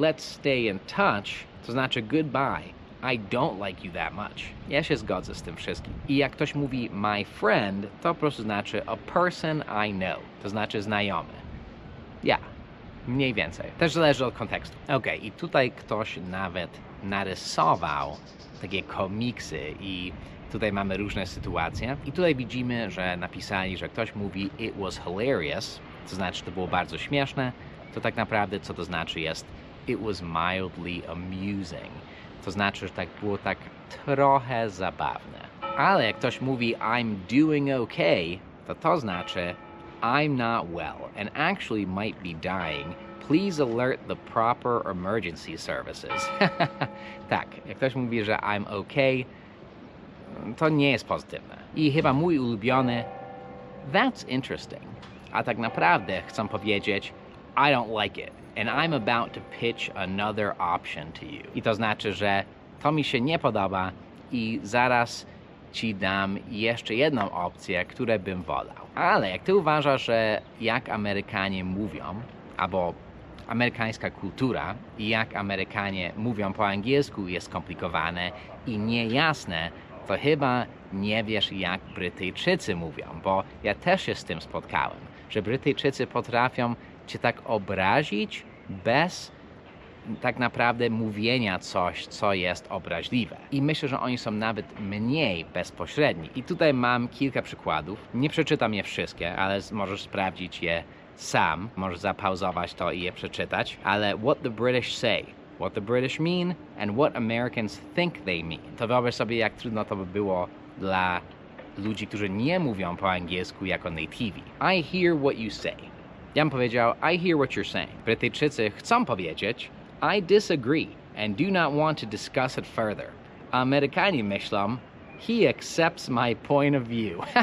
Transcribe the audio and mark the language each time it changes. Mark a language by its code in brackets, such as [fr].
[en] Let's stay in touch, [pl] to znaczy, [en] goodbye, I don't like you that much. [pl] Ja się zgodzę z tym wszystkim. I jak ktoś mówi, [en] my friend, [pl] to po prostu znaczy, [en] a person I know, [pl] to znaczy, znajomy. Ja, mniej więcej. Też zależy od kontekstu. Okej, i tutaj ktoś nawet narysował takie komiksy i tutaj mamy różne sytuacje. I tutaj widzimy, że napisali, że ktoś mówi [en] it was hilarious, [pl] to znaczy to było bardzo śmieszne, to tak naprawdę co to znaczy jest [en] it was mildly amusing. [pl] To znaczy, że tak było tak trochę zabawne. Ale jak ktoś mówi [en] I'm doing okay, [pl] to znaczy [en] I'm not well and actually might be dying. Please alert the proper emergency services. [pl] Tak, jak ktoś mówi, że [en] I'm okay, [pl] to nie jest pozytywne. I chyba mój ulubiony, [en] that's interesting. [pl] A tak naprawdę chcę powiedzieć, [en] I don't like it. And I'm about to pitch another option to you. [pl] I to znaczy, że to mi się nie podoba i zaraz ci dam jeszcze jedną opcję, którą bym wolał. Ale jak ty uważasz, że jak Amerykanie mówią, albo amerykańska kultura i jak Amerykanie mówią po angielsku jest skomplikowane i niejasne, to chyba nie wiesz, jak Brytyjczycy mówią, bo ja też się z tym spotkałem, że Brytyjczycy potrafią cię tak obrazić bez tak naprawdę mówienia coś, co jest obraźliwe. I myślę, że oni są nawet mniej bezpośredni. I tutaj mam kilka przykładów. Nie przeczytam je wszystkie, ale możesz sprawdzić je sam. Możesz zapauzować to i je przeczytać. Ale [en] what the British say? what the British mean and what Americans think they mean. [pl] To wyobraź sobie, jak trudno to by było dla ludzi, którzy nie mówią po angielsku jako native. [en] I hear what you say. [pl] Ja bym powiedział, [en] I hear what you're saying. [pl] Brytyjczycy chcą powiedzieć, [en] I disagree and do not want to discuss it further. [pl] Amerykanie myślą, [en] he accepts my point of view.